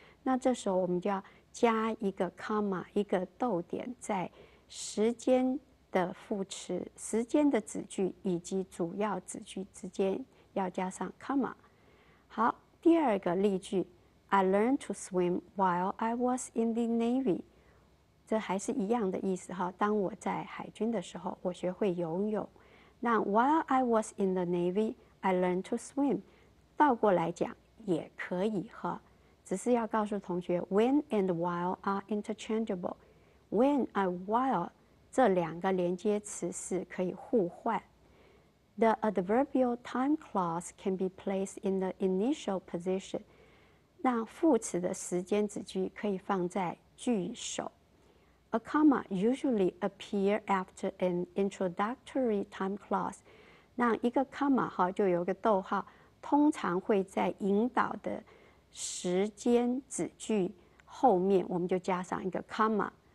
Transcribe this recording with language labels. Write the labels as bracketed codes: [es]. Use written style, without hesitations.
[zh] 那这时候我们就要加一个 comma, 一个逗点在时间的副词时间的子句以及主要子句之间要加上 comma. 好，第二个例句。 [en] I learned to swim while I was in the Navy. [zh] 这还是一样的意思哈。当我在海军的时候，我学会游泳。那 [en] while I was in the Navy, I learned to swim. [zh] 倒过来讲也可以哈。只是要告诉同学 ， [en] when and while are interchangeable. [zh] When and while 这两个连接词是可以互换。 [en] The adverbial time clause can be placed in the initial position. [zh] 那副词的时间子句可以放在句首。 [en] A comma usually appear after an introductory time clause. [zh] 那一个 comma 就有个逗号，通常会在引导的时间子句后面，我们就加上一个 comma.